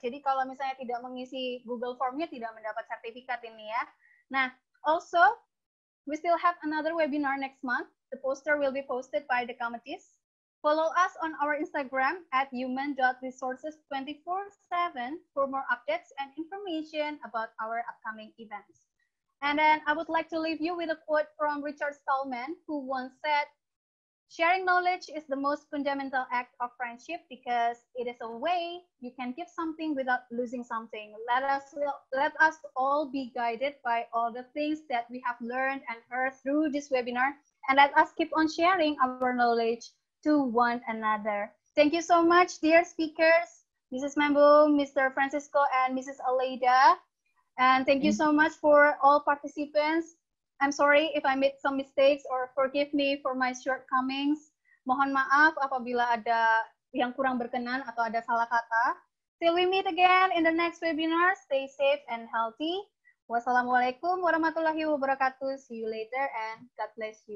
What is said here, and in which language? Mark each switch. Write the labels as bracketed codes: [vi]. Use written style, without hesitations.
[id] Jadi kalau misalnya tidak mengisi Google Formnya, tidak mendapat sertifikat ini ya. [en] Nah, also, we still have another webinar next month. The poster will be posted by the committees. Follow us on our Instagram at human.resources247 for more updates and information about our upcoming events. And then I would like to leave you with a quote from Richard Stallman, who once said, "Sharing knowledge is the most fundamental act of friendship because it is a way you can give something without losing something. Let us all be guided by all the things that we have learned and heard through this webinar, and let us keep on sharing our knowledge to one another." Thank you so much, dear speakers, Mrs. Maambo, Mr. Fransisco, and Mrs. Aleida. And thank you so much for all participants. I'm sorry if I made some mistakes, or forgive me for my shortcomings. [id] Mohon maaf apabila ada yang kurang berkenan atau ada salah kata. [en] Till we meet again in the next webinar, stay safe and healthy. [ar] Wassalamualaikum warahmatullahi wabarakatuh. [en] See you later and God bless you. Thank you. See you all. Bye-bye.